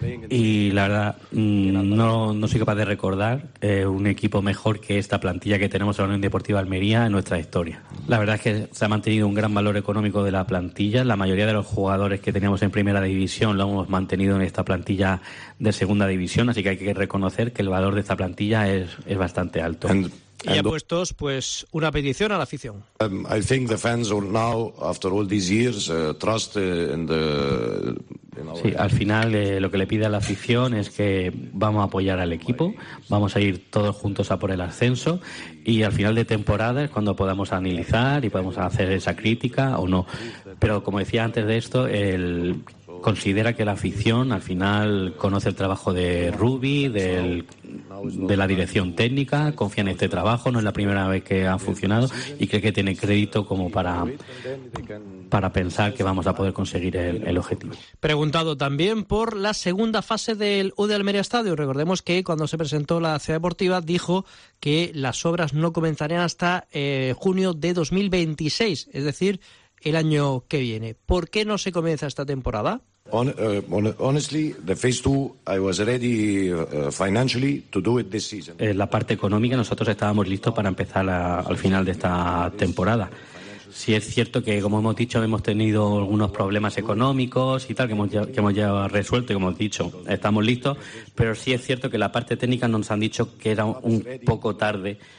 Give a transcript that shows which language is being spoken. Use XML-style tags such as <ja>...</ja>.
<es>Y la verdad, no soy capaz de recordar un equipo mejor que esta plantilla que tenemos en la Unión Deportiva Almería en nuestra historia. La verdad es que se ha mantenido un gran valor económico de la plantilla. La mayoría de los jugadores que teníamos en primera división lo hemos mantenido en esta plantilla de segunda división, así que hay que reconocer que el valor de esta plantilla es bastante alto. Y ha puesto pues una petición a la afición.</es> <en>I think the fans will now, after all these years, trust in the.</en> <es>Sí, al final lo que le pide a la afición es que vamos a apoyar al equipo, vamos a ir todos juntos a por el ascenso y al final de temporada es cuando podamos analizar y podamos hacer esa crítica o no. Pero como decía antes de esto, él considera que la afición al final conoce el trabajo de Rubi, de la dirección técnica, confía en este trabajo, no es la primera vez que ha funcionado y cree que tiene crédito como para pensar que vamos a poder conseguir el objetivo. Preguntado también por la segunda fase del UD Almería Estadio. Recordemos que cuando se presentó la Ciudad Deportiva dijo que las obras no comenzarían hasta junio de 2026, es decir, el año que viene. ¿Por qué no se comienza esta temporada?</es> <en>Honestly, the phase two, I was ready financially to do it this season.</en> <es>En la parte económica, nosotros estábamos listos para empezar al final de esta temporada. Sí es cierto que, como hemos dicho, hemos tenido algunos problemas económicos y tal, que hemos ya resuelto y, como he dicho, estamos listos. Pero sí es cierto que la parte técnica nos han dicho que era un poco tarde</es>